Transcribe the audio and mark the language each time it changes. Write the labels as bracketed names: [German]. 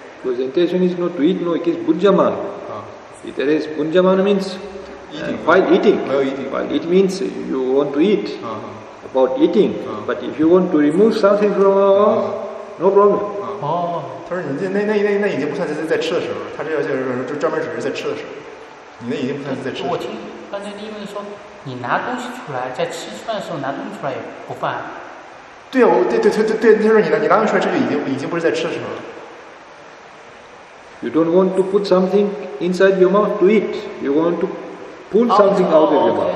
[English] Because intention is not to eat, no, it is bunjaman. There is punjamana means eating. While eating. It means you want to eat about eating. But if you want to remove something from your mouth, no problem. [Chinese] 他说那已经不算在吃的时候，他这就专门只是在吃的时候。你那已经不算在吃的时候。我听刚才另一位说，你拿东西出来，在吃饭的时候拿东西出来也不犯。对啊，对，他说你拿东西出来，这就已经不是在吃的时候了。 [English] You don't want to put something inside your mouth to eat. You want to pull something out of your mouth.